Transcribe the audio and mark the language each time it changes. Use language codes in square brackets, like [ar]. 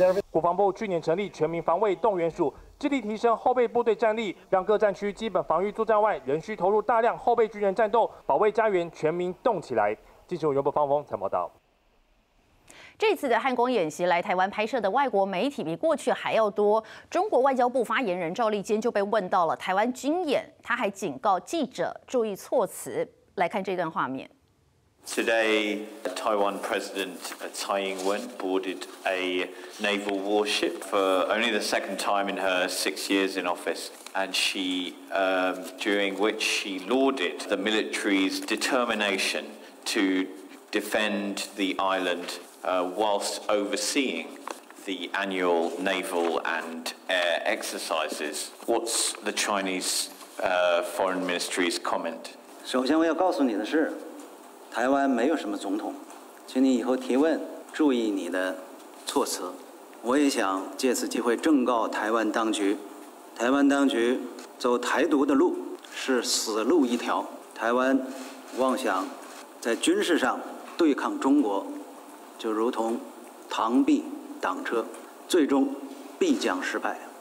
[zh] 国防部去年成立全民防卫动员署，致力提升后备部队战力，让各战区基本防御作战外，仍需投入大量后备军人战斗，保卫家园，全民动起来。记者尤伯方峰采报道。这次的汉光演习，来台湾拍摄的外国媒体比过去还要多。中国外交部发言人赵立坚就被问到了台湾军演，他还警告记者注意措辞。来看这段画面。 [en] Today, Taiwan President Tsai Ing-wen boarded a naval warship for only the second time in her 6 years in office, and she, during which she lauded the military's determination to defend the island, whilst overseeing the annual naval and air exercises. What's the Chinese, Foreign Ministry's comment? [zh] 首先我要告诉你的是，台湾没有什么总统，请你以后提问注意你的措辞。我也想借此机会正告台湾当局，台湾当局走台独的路是死路一条，台湾妄想在军事上对抗中国，就如同螳臂挡车，最终必将失败。